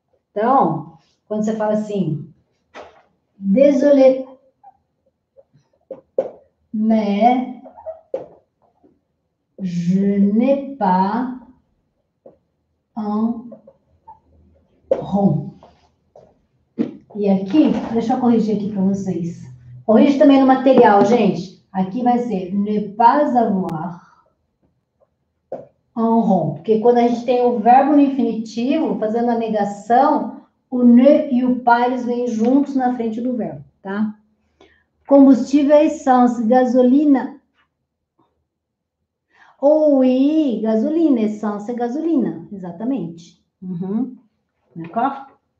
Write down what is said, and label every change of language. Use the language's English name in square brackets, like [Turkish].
[Portuguese] Então, quando você fala assim, [French] désolé, mais je n'ai pas un rond. [Portuguese] E aqui, deixa eu corrigir aqui para vocês. Corrige também no material, gente. Aqui vai ser [French] ne pas avoir un rond. [Portuguese] Porque quando a gente tem o verbo no infinitivo, fazendo a negação, o ne e o pas vêm juntos na frente do verbo, tá? Combustível é essence, gasolina. Ou oui, gasolina, essence é gasolina, exatamente. D'accord?